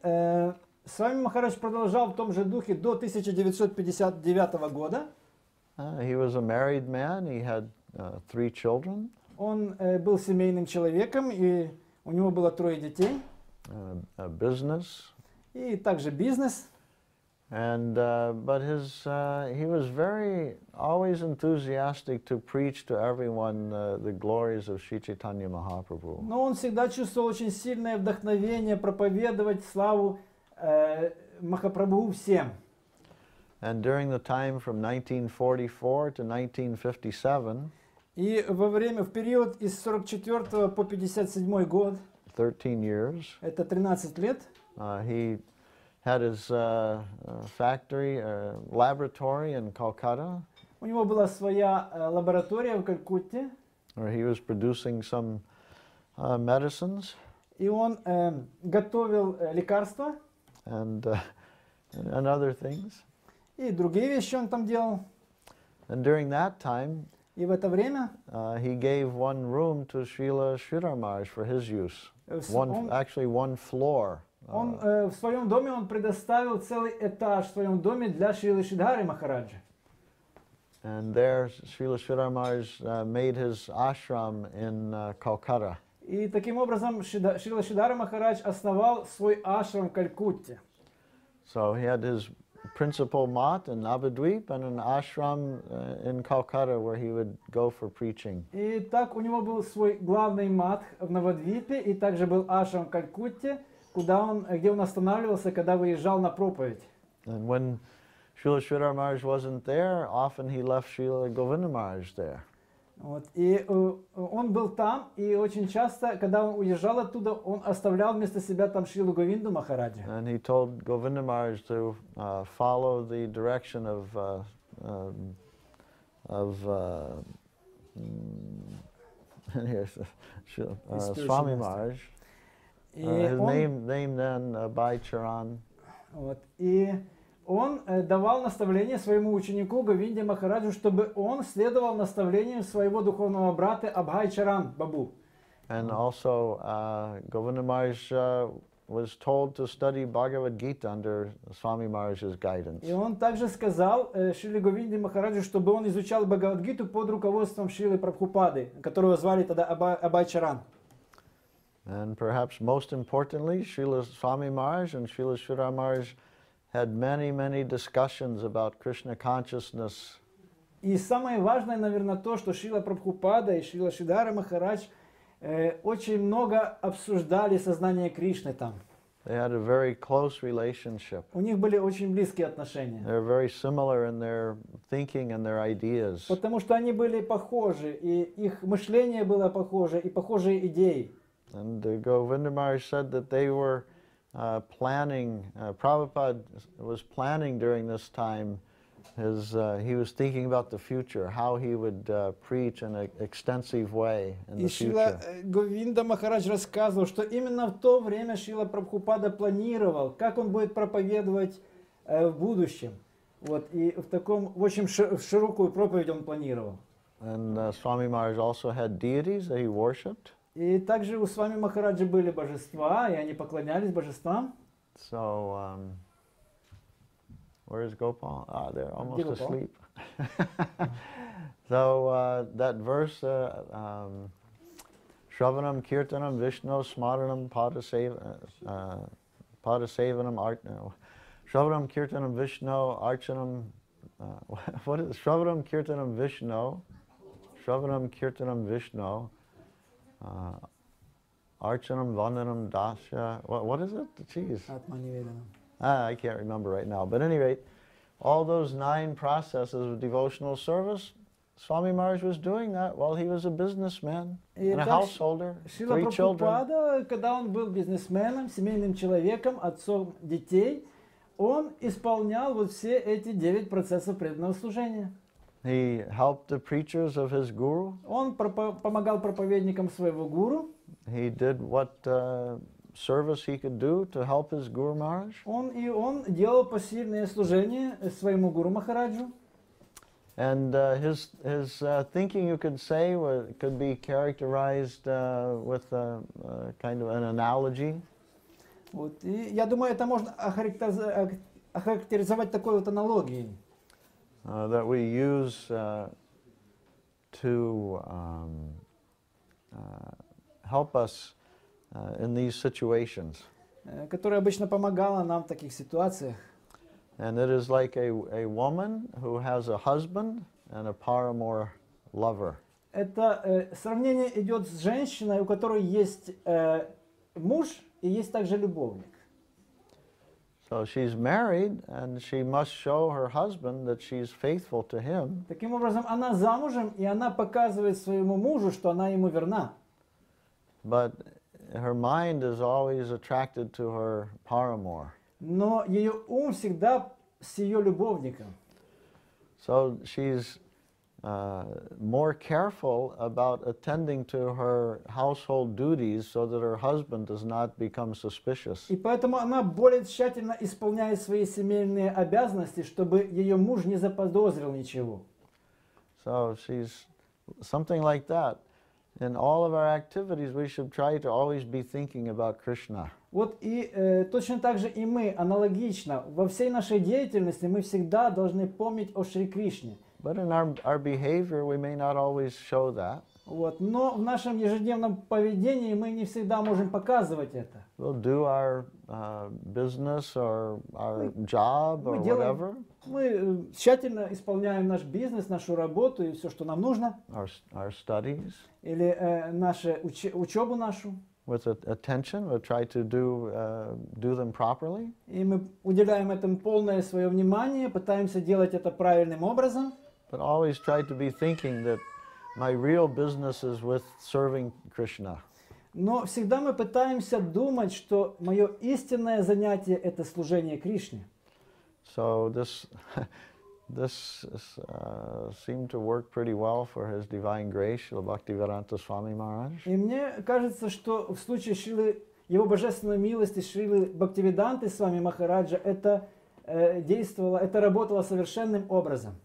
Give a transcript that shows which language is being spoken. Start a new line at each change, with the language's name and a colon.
Russian: И Свами Махарадж продолжал в том же духе до 1959 года.
English: He was a married man. He had three children.
Russian: Он был семейным человеком, и у него было трое детей.
English: A business.
Russian: И также бизнес.
English: And but his he was very always enthusiastic to preach to everyone the glories of Sri Chaitanya Mahaprabhu.
Russian: Но он всегда чувствовал очень сильное вдохновение проповедовать славу Махапрабху всем.
English: And during the time from 1944 to 1957.
Russian: И во время, в период из 44 по 57 год,
English: 13 years,
Russian: это 13 лет,
English: he had his factory, laboratory in Calcutta.
Russian: У него была своя лаборатория в Калькутте.
English: Where he was producing some medicines.
Russian: И он готовил лекарства.
English: And other things.
Russian: И другие вещи он там делал.
English: And during that time,
Russian: И в это время
English: he gave one room to Srila Sridharmaraj for his use. One floor.
Russian: Он в своем доме он предоставил целый этаж в своем доме для Шрилы Шридхары Махараджи.
English: And there Srila Sridharmaraj made his ashram in Calcutta.
Russian: И таким образом Шрила Шридхара Махарадж основал свой ашрам в Калькутте.
English: So he had his principal mat in Navadvip and an ashram in Calcutta where he would go for preaching.
Russian: И так у него был свой главный мат в Навадвипе и также был ашрам в Калькутте, куда он, где он останавливался, когда выезжал на проповедь.
English: And when Srila Sridhar Maharaj wasn't there, often he left Srila Govinda Maharaj there.
Russian: Вот. И он был там, и очень часто, когда он уезжал оттуда, он оставлял вместо себя там Шрилу Говинду Махараджа.
English: And he told Govinda Maharaj to follow the direction of Swami Maharaj. His name then Bhai Charan.
Russian: Вот. И он давал наставление своему ученику Говинде Махараджу, чтобы он следовал наставлениям своего духовного брата Абхай Чаран Бабу.
English: And also Govinda Maharaj was told to study Bhagavad Gita under Swami Maharaj's guidance.
Russian: И он также сказал Шриле Говинде Махараджу, чтобы он изучал Бхагавад Гиту под руководством Шрилы Прабхупады, которого звали тогда Абхай Чаран.
English: And perhaps most importantly, Шрила Свами Махарадж and Шрила Шридхар Махарадж had many, many discussions about Krishna consciousness.
Russian: И самое важное, наверное, то, что Шрила Прабхупада и Шрила Шридхара Махарадж очень много обсуждали сознание Кришны там.
English: They had a very close relationship.
Russian: У них были очень близкие отношения.
English: They're very similar in their thinking and their ideas.
Russian: Потому что они были похожи, и их мышление было похоже, и похожие идеи.
English: And Govinda Maharaj said that they were Prabhupada was planning during this time his he was thinking about the future, how he would preach in an extensive way in the future.
Russian: Шрила Говинда Махарадж рассказывал, что именно в то время Шрила Прабхупада планировал, как он будет проповедовать в будущем. Вот, и в таком, в общем, широкую проповедь он планировал.
English: And Swami Maharaj also had deities that he worshipped.
Russian: И также у Свами Махараджи были божества, и они поклонялись божествам.
English: So, where is Gopal? Ah, they're almost Где asleep. So, that verse,
Sanskrit: Shravanam Kirtanam Vishno Smaranam Padasevanam Archanam. Shravanam Kirtanam Vishno Archanam.
English: What is
Sanskrit: Shravanam Kirtanam Vishno? Shravanam Kirtanam Vishno. Archanam Vandanam Dasha.
English: What is it? Jeez. I can't remember right now. But at any rate, all those nine processes of devotional service, Swami Maharaj was doing that while he was a businessman and a householder, three children.
Russian: Шрила Прабхупада, когда он был бизнесменом, семейным человеком, отцом детей, он исполнял вот все эти девять процессов преданного служения.
English: He helped the preachers of his guru.
Russian: Он помогал проповедникам своего гуру.
English: He did what service he could do to help his guru Maharaj.
Russian: Он делал посильное служение своему гуру Махараджу.
English: And his thinking, you could say, could be characterized with a kind of an analogy.
Russian: Вот, и я думаю, это можно охарактеризовать такой вот аналогией.
English: That we use to help us in these situations.
Russian: Которая обычно помогала нам в таких ситуациях.
English: And it is like a woman who has a husband and a paramour lover.
Russian: Это сравнение идет с женщиной, у которой есть муж и есть также любовник.
English: So she's married, and she must show her husband that she's faithful to him.
Russian: Таким образом, она замужем, и она показывает своему мужу, что она ему верна.
English: But her mind is always attracted to her paramour.
Russian: Но ее ум всегда с ее любовником.
English: So she's more careful about attending to her household duties so that her husband does not become suspicious.
Russian: И поэтому она более тщательно исполняет свои семейные обязанности, чтобы ее муж не заподозрил ничего.
English: So she's something like that. In all of our activities, we should try to always be thinking about Krishna.
Russian: Вот и точно так же и мы, аналогично, во всей нашей деятельности мы всегда должны помнить о Шри Кришне.
English: But in our behavior, we may not always show that.
Russian: Вот, но в нашем ежедневном поведении мы не всегда можем показывать это.
English: We'll do our business or our job or whatever.
Russian: Мы тщательно исполняем наш бизнес, нашу работу и все, что нам нужно.
English: Our studies.
Russian: Или наше учебу нашу.
English: With attention, we try to do them properly.
Russian: И мы уделяем этому полное свое внимание, пытаемся делать это правильным образом.
English: But always try to be thinking that my real business is with serving Krishna.
Russian: Но всегда мы пытаемся думать, что мое истинное занятие — это служение Кришне.
English: So this seemed to work pretty well for His Divine Grace, Srila Bhaktivedanta Swami Maharaj.
Russian: И мне кажется, что в случае Шрилы, Его Божественной Милости, Шрилы Бхактивиданты Свами Махараджа, это действовало, это работало совершенным образом.